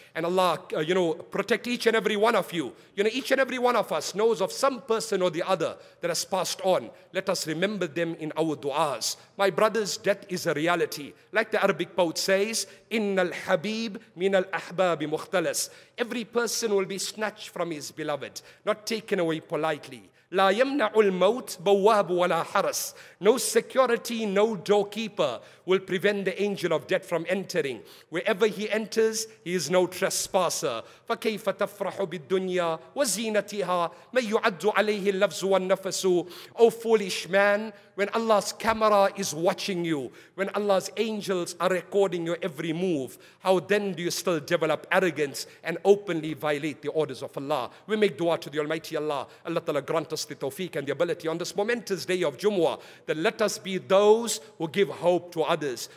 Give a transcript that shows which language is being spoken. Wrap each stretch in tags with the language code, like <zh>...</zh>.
<en>And Allah, protect each and every one of you. You know, each and every one of us knows of some person or the other that has passed on. Let us remember them in our du'as. My brothers, death is a reality. Like the Arabic poet says,</en> <ar>إِنَّ الْحَبِيبِ مِنَ الْأَحْبَابِ مُخْتَلَسِ.</ar> <en>Every person will be snatched from his beloved, not taken away politely.</en> <ar>لا يمنع الموت بواب ولا حرس.</ar> <en>No security, no doorkeeper will prevent the angel of death from entering. Wherever he enters, he is no trespasser.</en> <ar>فكيف تفرح بالدنيا وزينتها ما يعد عليه اللفظ والنفس.</ar> <en>O foolish man, when Allah's camera is watching you, when Allah's angels are recording your every move, how then do you still develop arrogance and openly violate the orders of Allah? We make dua to the Almighty Allah. Allah Ta'ala grant us the tawfiq and the ability on this momentous day of Jumu'ah, that let us be those who give hope to others.</en>